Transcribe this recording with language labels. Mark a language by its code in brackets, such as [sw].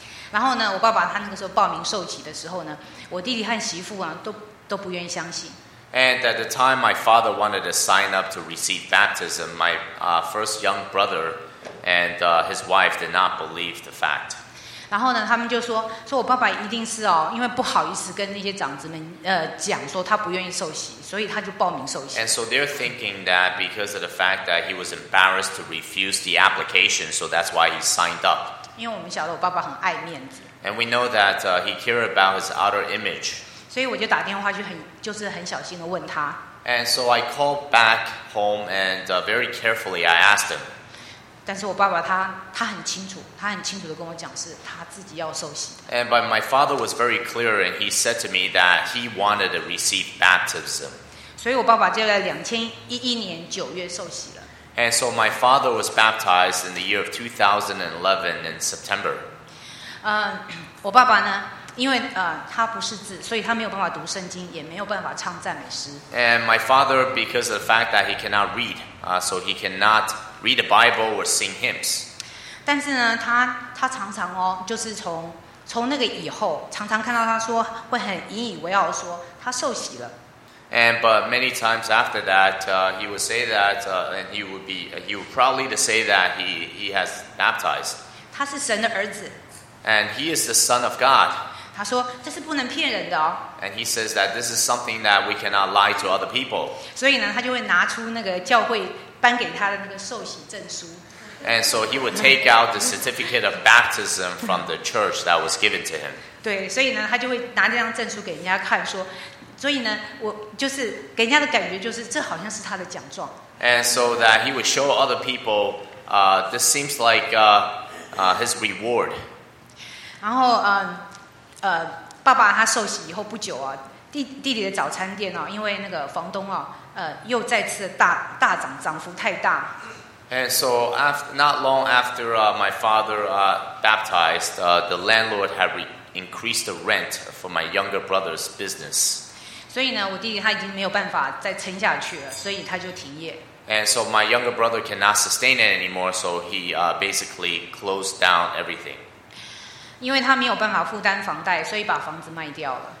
[zh] 然后呢，我爸爸他那个时候报名受洗的时候呢，我弟弟和媳妇啊，都不愿意相信。 [en] And at the time my father wanted to sign up to receive baptism, my first young brother and his wife did not believe the fact. [zh] 然后呢，他们就说我爸爸一定是哦，因为不好意思跟那些长子们讲说他不愿意受洗，所以他就报名受洗。 [en] And so they're thinking that because of the fact that he was embarrassed to refuse the application, so that's why he signed up. [zh] 因为我们晓得我爸爸很爱面子。 [en] And we know that he cared about his outer image. [zh] 所以我就打电话去就是很小心的问他。 [en] And so I called back home and very carefully I asked him. [zh] 但是我爸爸他很清楚，他很清楚的跟我讲是他自己要受洗的。 [en] And but my father was very clear and he said to me that he wanted to receive baptism. [zh] 所以我爸爸就在2011年9月受洗了。 [en] And so my father was baptized in the year of 2011 in September. [zh] 我爸爸呢，因为他不识字，所以他没有办法读圣经，也没有办法唱赞美诗。 [en] And my father, because of the fact that he cannot read, so he cannot read the Bible or sing hymns. [zh] 但是呢，他常常哦，就是从那个以后，常常看到他说会很引以为傲说他受洗了。 [en] And but many times after that, he would say that, and he would proudly to say that he has baptized. [zh] 他是神的儿子。 [en] And he is the son of God. [zh] 他说这是不能骗人的哦。 [en] And he says that this is something that we cannot lie to other people. [zh] 所以呢，他就会拿出那个教会颁给他的那个受洗证书。 [en] And so he would take out the certificate of baptism from the church that was given to him. [zh] 对，所以呢，他就会拿这张证书给人家看，说。所以呢，我就是给人家的感觉就是，这好像是他的奖状。 [en] And so that he would show other people, this seems like his reward. [zh] 然后爸爸他受洗以后不久啊，弟弟的早餐店啊，因为那个房东啊，又再次大涨，涨幅太大。 [en] And so not long after my father baptized, the landlord had increased the rent for my younger brother's business. [zh] 所以呢，我弟弟他已经没有办法再撑下去了，所以他就停业。 [en] And so my younger brother cannot sustain it anymore, so he basically closed down everything. [zh] 因为他没有办法负担房贷，所以把房子卖掉了。